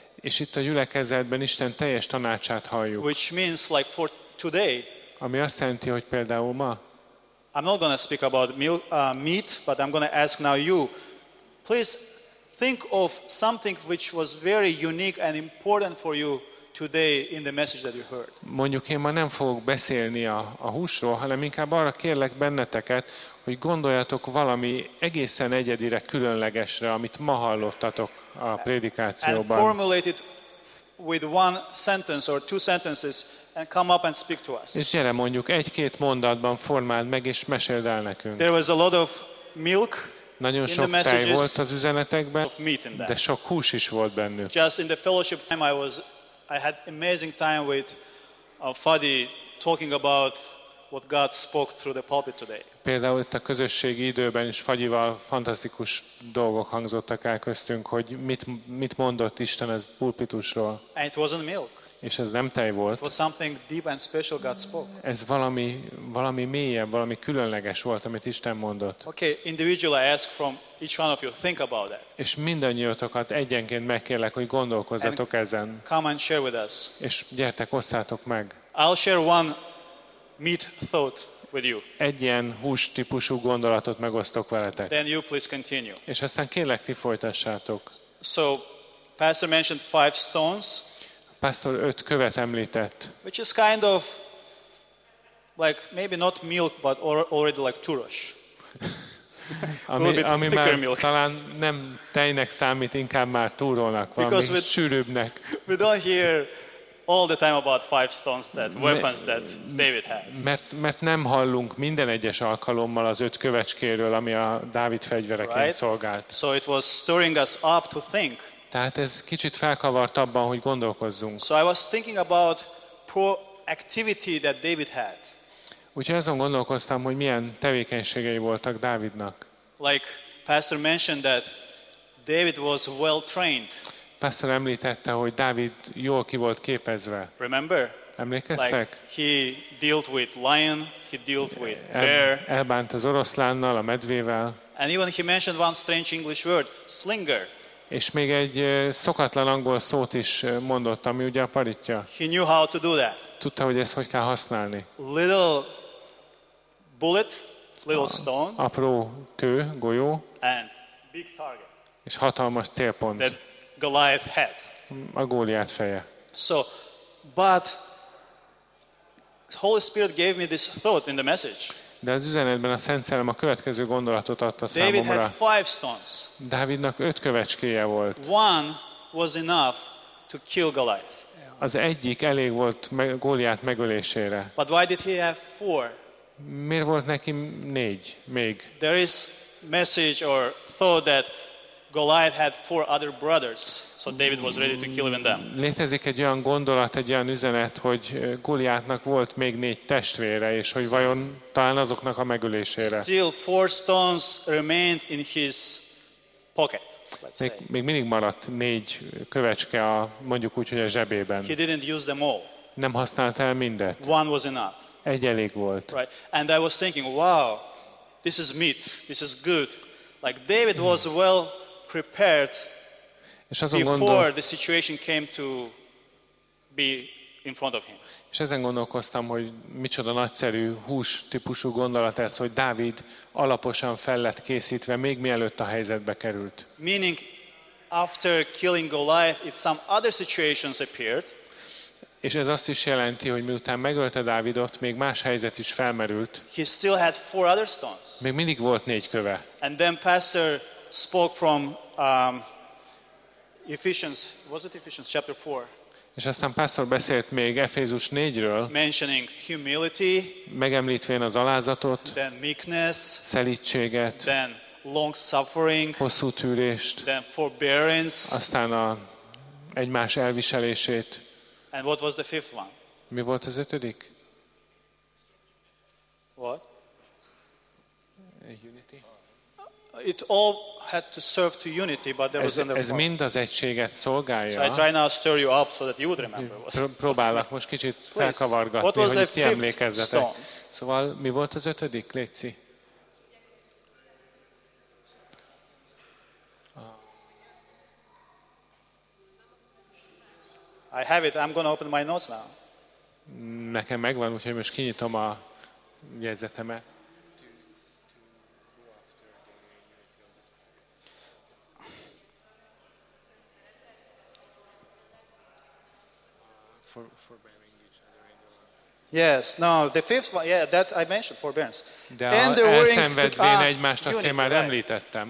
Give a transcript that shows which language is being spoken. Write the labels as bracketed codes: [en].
[hu] És itt a gyülekezetben Isten teljes tanácsát halljuk. [en] Which means like for today. [hu] Ami azt jelenti, hogy például ma. [en] I'm not going to speak about meat, but I'm going to ask now you. Please think of something which was very unique and important for you today in the message that you heard. [hu] Mondjuk én ma nem fogok beszélni a húsról, hanem inkább arra kérlek benneteket, hogy gondoljatok valami egészen egyedire, különlegesre, amit ma hallottatok a prédikációban. [en] And formulate it with one sentence or two sentences and come up and speak to us. [hu] És gyere mondjuk egy-két mondatban formáld meg és meséld el nekünk. [en] There was a lot of milk. [hu] Nagyon sok tej volt az üzenetekben, de sok hús is volt bennük. [en] Just in the fellowship time I had amazing time with Fadi talking about what God spoke through the pulpit today. [hu] Például itt a közösségi időben is Fagyival fantasztikus dolgok hangzottak el köztünk, hogy mit mondott Isten ez pulpitusról. [en] And it wasn't milk. [hu] És ez nem tej volt. [en] It was something deep and special God spoke. [hu] Ez valami mélyebb, valami különleges volt, amit Isten mondott. [en] Okay, individually I ask from each one of you think about that. [hu] És mindannyiótokat egyenként megkérlek, hogy gondolkozzatok ezen. [en] Come and share with us. [hu] És gyertek, osszátok meg. [en] I'll share one meat thought with you. [hu] Egy ilyen hús típusú gondolatot megosztok veletek. [en] Then you please continue. [hu] És aztán kérlek, ti folytassátok. [en] So, pastor mentioned 5 stones. [hu] Pastor 5 követ említett. [en] Which is kind of like maybe not milk but already like turosh. [hu] ami már milk. Talán nem tejnek számít, inkább már túrónak, valami sűrűbbnek. [en] We don't hear all the time about 5 stones that weapons that David had. [hu] Mert nem hallunk minden egyes alkalommal az 5 kövecskéről, ami a Dávid fegyvereként [en] right? [hu] szolgált. [en] So it was stirring us up to think. [hu] Tehát ez kicsit felkavart abban, hogy gondolkozzunk. [en] So I was thinking about proactivity that David had. [hu] Úgyhogy azon gondolkoztam, hogy milyen tevékenységei voltak Dávidnak. [en] Like pastor mentioned that David was well trained. [hu] Pastor említette, hogy Dávid jól ki volt képezve. [en] Remember? [hu] Emlékeztek? [en] Like he dealt with lion, he dealt with bear. [hu] Elbánt az oroszlánnal, a medvével. [en] And even he mentioned one strange English word, slinger. [hu] És még egy szokatlan angol szót is mondott, ami ugye a paritja. [en] He knew how to do that. [hu] Tudta, hogy ezt hogy kell használni. [en] Little bullet, little stone. [hu] Apró kő, golyó. [en] And big target. [hu] És hatalmas célpont. [en] That Goliath had. [hu] A Góliát feje. [en] So, but the Holy Spirit gave me this thought in the message. [hu] De az üzenetben a Szent Szellem a következő gondolatot adta számomra. [en] David had 5 stones. [hu] Dávidnak 5 kövecskéje volt. [en] One was enough to kill Goliath. [hu] Az egyik elég volt Góliát megölésére. [en] But why did he have 4? [hu] Miért volt neki 4 még? [en] There is message or thought that Goliath had 4 other brothers, so David was ready to kill even them. [hu] Létezik egy olyan gondolat, egy olyan üzenet, hogy Góliátnak volt még 4 testvére, és hogy vajon talán azoknak a megölésére. [en] Still 4 stones remained in his pocket. [hu] Még mindig maradt 4 kövecske a, mondjuk úgy, hogy a zsebében. [en] He didn't use them all. [hu] Nem használt el mindet. [en] One was enough. [hu] Egy elég volt. [en] Right. And I was thinking, wow, this is meat, this is good. Like David was well prepared before the situation came to be in front of him. [hu] És ezen gondolkoztam, hogy micsoda nagyszerű hús típusú gondolat ez, hogy Dávid alaposan fel lett készítve, még mielőtt a helyzetbe került. [en] Meaning, after killing Goliath, it some other situations appeared. [hu] És ez azt is jelenti, hogy miután megölte Dávidot, még más helyzet is felmerült. [en] He still had 4 other stones. [hu] Még mindig volt 4 köve. [en] And then pastor spoke from Ephesians, was it Ephesians chapter 4? [hu] És aztán pásztor beszélt még Efézus 4-ről, [en] mentioning humility, [hu] megemlítvén az alázatot, [en] then meekness, [hu] szelítséget, [en] then long suffering, [hu] hosszú tűrést, [en] then forbearance, [hu] aztán a egymás elviselését. [en] And what was the fifth one? [hu] Mi volt az ötödik? [en] What? Unity. It all had to serve to unity, but there was another. [hu] Ez mind az egységet szolgálja. [en] So I try now stir you up so that you would remember. [hu] Próbálok most kicsit felkavargatni, [en] what was [hu] hogy [en] the [hu] emlékezzetek. Szóval mi volt az ötödik, Léci? [en] I have it. I'm going to open my notes now. [hu] Nekem megvan, úgyhogy most kinyitom a jegyzetemet. [en] Yes, no, the fifth one, yeah, that I mentioned, forbearance. [hu] De elszenvedvén egymást, azt én már említettem.